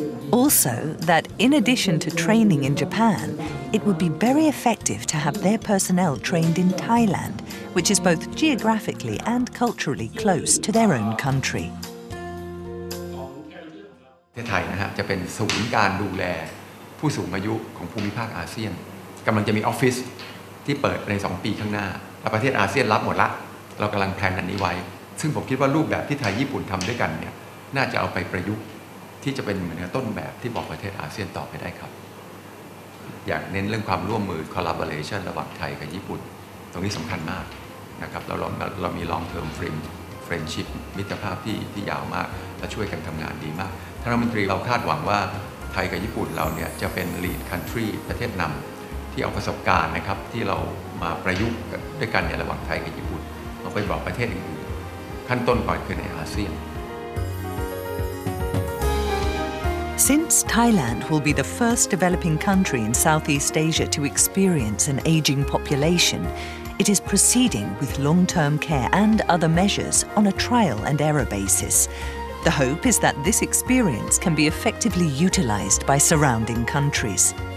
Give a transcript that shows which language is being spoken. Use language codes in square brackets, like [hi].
[en] Also, that in addition to training in Japan, it would be very effective to have their personnel trained in Thailand, which is both geographically and culturally close to their own country. Thailand will be the center of care for the elderly in the ASEAN region. There will be an office. [th] ที่เปิดใน2ปีข้างหน้าและประเทศอาเซียนรับหมดละเรากำลังแพลนอันนี้ไว้ซึ่งผมคิดว่ารูปแบบที่ไทยญี่ปุ่นทำด้วยกันเนี่ยน่าจะเอาไปประยุกต์ที่จะเป็นเหมือนต้นแบบที่บอกประเทศอาเซียนต่อไปได้ครับ อยากเน้นเรื่องความร่วมมือ collaboration ระหว่างไทยกับญี่ปุ่นตรงนี้สำคัญมากนะครับเรามี [en] long term friendship [th] มิตรภาพที่ยาวมากและช่วยกันทำงานดีมากท่านรัฐมนตรีเราคาดหวังว่าไทยกับญี่ปุ่นเราเนี่ยจะเป็น [en] lead country [th] ประเทศนำที่เอาประสบการณ์นะครับที่เรามาประยุกต์ด้วยกันในระหว่างไทยกับญี่ปุ่นเราไปบอกประเทศอื่นขั้นต้นก่อนคือในอาเซียน [en] Since Thailand will be the first developing country in Southeast Asia to experience an aging population, it is proceeding with long-term care and other measures on a trial and error basis. The hope is that this experience can be effectively utilized by surrounding countries.